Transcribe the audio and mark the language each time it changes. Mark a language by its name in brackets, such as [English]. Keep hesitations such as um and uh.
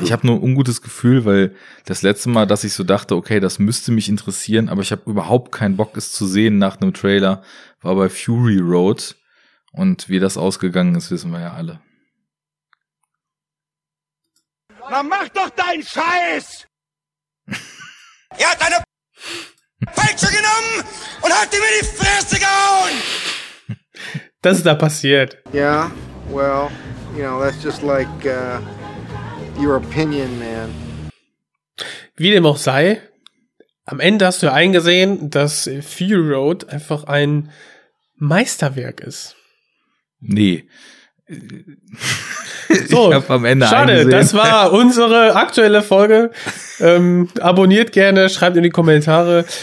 [German] Ich habe nur ein ungutes Gefühl, weil das letzte Mal, dass ich so dachte, okay, das müsste mich interessieren, aber ich habe überhaupt keinen Bock, es zu sehen nach einem Trailer, war bei Fury Road. Und wie das ausgegangen ist, wissen wir ja alle. Na mach doch deinen Scheiß! er hat eine Peitsche genommen und hat ihm in die Fresse gehauen! Das ist da passiert. [English] Ja, well, you know, that's just like uh, your opinion, man. [German] Wie dem auch sei, am Ende hast du ja eingesehen, dass Fury Road einfach ein Meisterwerk ist. Nee. So, ich hab am Ende schade, eingesehen. das war unsere aktuelle Folge. ähm, abonniert gerne, schreibt in die Kommentare.